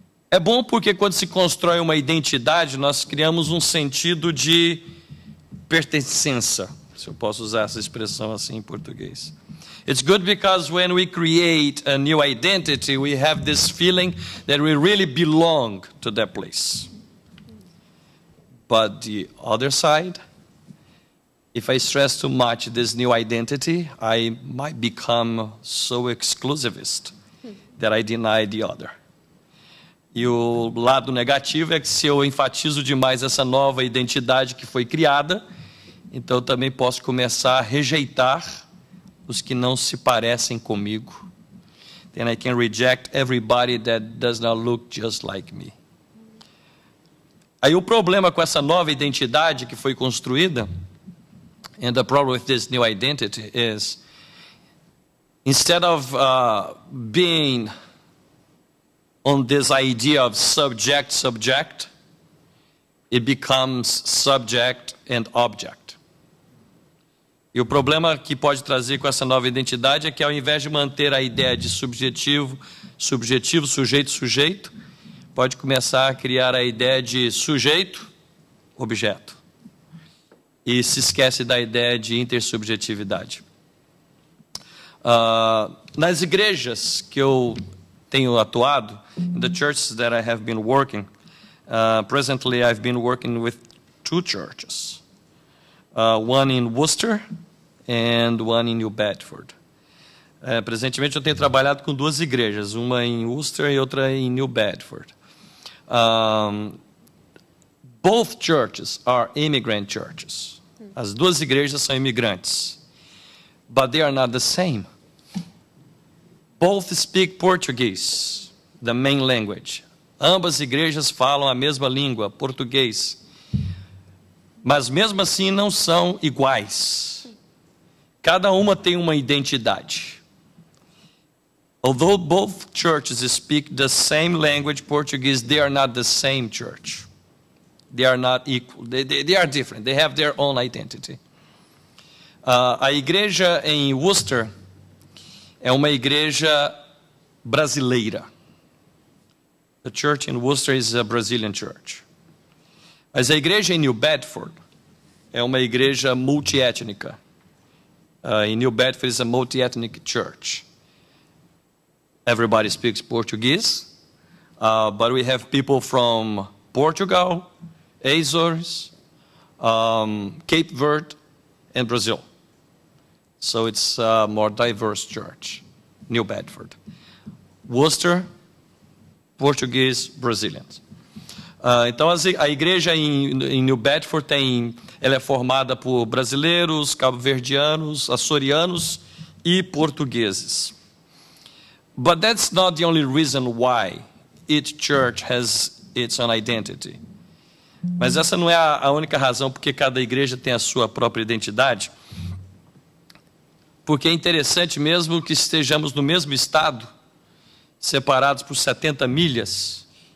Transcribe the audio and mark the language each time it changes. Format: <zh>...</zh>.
<pt>É bom porque quando se constrói uma identidade, nós criamos um sentido de pertencência, se eu posso usar essa expressão assim em português.</pt> <en>It's good because when we create a new identity, we have this feeling that we really belong to that place. But the other side, if I stress too much this new identity, I might become so exclusivist that I deny the other.</en> <pt>E o lado negativo é que se eu enfatizo demais essa nova identidade que foi criada, então eu também posso começar a rejeitar os que não se parecem comigo.</pt> <en>Then I can reject everybody that does not look just like me.</en> <pt>Aí o problema com essa nova identidade que foi construída,</pt> <en>and the problem with this new identity is, instead of being on this idea of subject, it becomes subject and object.</en> <pt>E o problema que pode trazer com essa nova identidade é que ao invés de manter a ideia de subjetivo, sujeito, pode começar a criar a ideia de sujeito, objeto. E se esquece da ideia de intersubjetividade. Nas igrejas que eu tenho atuado,</pt> <en>in the churches that I have been working, presently I've been working with two churches, one in Worcester and one in New Bedford.</en> <pt>Presentemente eu tenho trabalhado com duas igrejas, uma em Worcester e outra em New Bedford.</pt> <en>Both churches are immigrant churches.</en> <pt>As duas igrejas são imigrantes,</pt> <en>but they are not the same. Both speak Portuguese, the main language.</en> <pt>Ambas igrejas falam a mesma língua, português. Mas mesmo assim não são iguais. Cada uma tem uma identidade.</pt> <en>Although both churches speak the same language, Portuguese, they are not the same church. They are not equal. They are different. They have their own identity.</en> <pt>A igreja em Worcester é uma igreja brasileira.</pt> <en>The church in Worcester is a Brazilian church.</en> <pt>Mas a igreja em New Bedford é uma igreja multiétnica.</pt> <en>In New Bedford is a multi-ethnic church. Everybody speaks Portuguese, but we have people from Portugal, Azores, Cape Verde, and Brazil. So it's a more diverse church. New Bedford, Worcester, Portuguese, Brazilians.</en> <pt>Então a igreja em New Bedford ela é formada por brasileiros, cabo-verdianos, açorianos e portugueses.</pt> <en>But that's not the only reason why each church has its own identity.</en> <pt>Mas essa não é a única razão porque cada igreja tem a sua própria identidade. Porque é interessante mesmo que estejamos no mesmo estado, separados por 70 milhas.</pt>